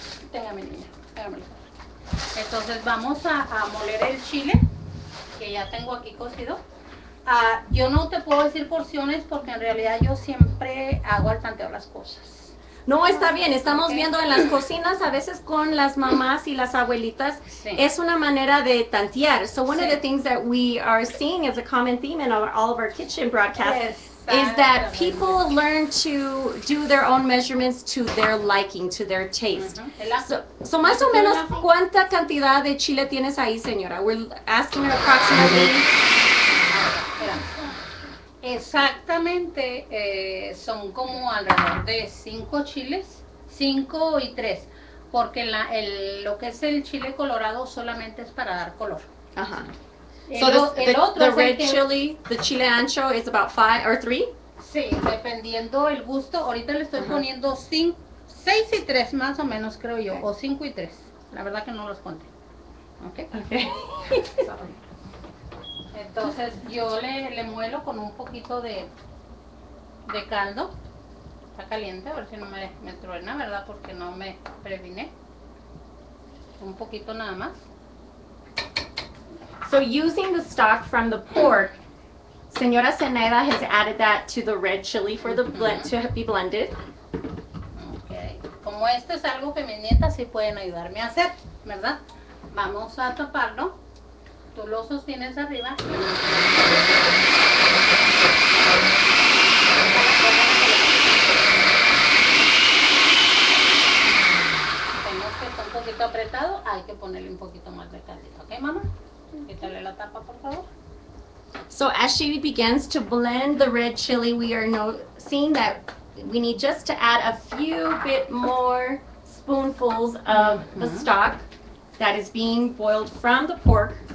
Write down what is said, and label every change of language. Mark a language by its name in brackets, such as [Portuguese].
[Spanish] Tenga mi niña, hágamelo. Entonces vamos a moler el chile, que ya tengo aquí cocido. Yo no te puedo decir porciones porque en realidad yo siempre hago al tanteo las cosas. No, está bien, estamos viendo en las cocinas, a veces con las mamás y las abuelitas, es una manera de tantear. [English] So one of the things that we are seeing as a common theme in all of our kitchen broadcasts is that people learn to do their own measurements to their liking, to their taste. So [Spanish] más o menos, ¿cuánta cantidad de chile tienes ahí, señora? [English] We're asking her approximately. [Spanish] Exactamente, son como alrededor de 5 chiles, 5 y 3, porque lo que es el chile colorado solamente es para dar color. [English] Ajá. The chile ancho is about 5 or 3? [Spanish] Sí, dependiendo el gusto, ahorita le estoy poniendo 6 y 3 más o menos, creo yo, o 5 y 3. La verdad que no los conté. Okay. Entonces yo le muelo con un poquito de caldo. Está caliente, a ver si no me truena, ¿verdad? Porque no me previné. Un poquito nada más. [English] So using the stock from the pork, Señora Zeneda has added that to the red chili for the blend to be blended. Okay. [Spanish] Como esto es algo que mis nietas sí pueden ayudarme a hacer, ¿verdad? Vamos a taparlo. Tú lo sostienes arriba. Vemos que está un poquito apretado. Hay que ponerle un poquito más de caldito. ¿Ok, mamá? Quítale la tapa, por favor. [English] So as she begins to blend the red chili, we are seeing that we need just to add a few bit more spoonfuls of the stock that is being boiled from the pork.